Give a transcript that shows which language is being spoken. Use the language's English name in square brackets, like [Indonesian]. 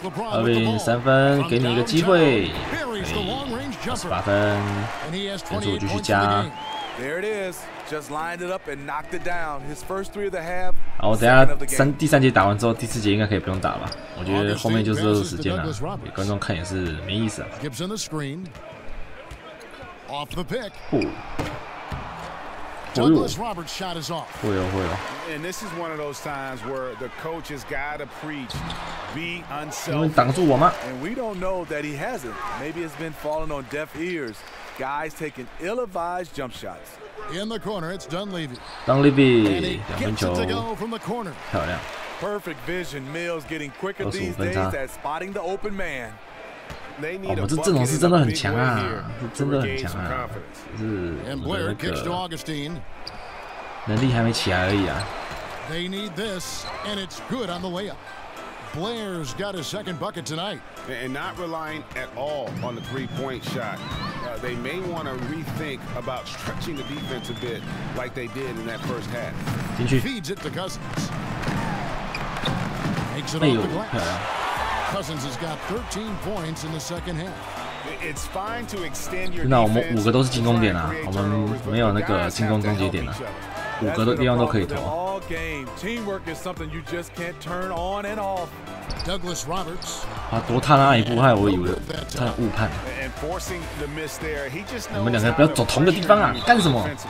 [Chinese] 阿宾三分，给你一个机会，28分，分数继续加。 [English] There it is, just lined it up and knocked it down. His first three of the half. [Chinese] 好，等下第三节打完之后，第四节应该可以不用打吧？我觉得后面就是时间了，给观众看也是没意思啊。 [English] Gibson the screen, off the pick. Douglas Roberts shot is off. And this is one of those times where the coach has got to preach, be unselfish. [Chinese] 你挡住我吗？ [English] And we don't know that he hasn't. Maybe it's been falling on deaf ears. Guys taking ill-advised jump shots. In the corner, it's Dunleavy. [Chinese] Dunleavy 两分球，漂亮。 [English] Perfect vision. Mills getting quicker these days. That spotting the open man. [Chinese] 哦、我们这阵容是真的很强啊，是真的很强啊，是我们的那个能力还没起来而已啊。 [English] They need this, and it's good on the way up. Blair's got his second bucket tonight, and not relying at all on the three-point shot. They may want to rethink about stretching the defense a bit, like they did in that first half. [Chinese] 进去。 [English] Feeds it to Cousins. Makes it off the glass. Cousins has got 13 points in the second half. It's fine to extend your. [Chinese] 那我们五个都是进攻点啊，我们没有那个进攻终结点了、啊，五个都地方都可以投。 [English] All game teamwork is something you just can't turn on and off. Douglas Roberts. [Chinese] 啊，多踏那一步，害我以为他误判。 [English] And forcing the miss there, he just. [Chinese] 你们两个不要走同个地方啊，干什么？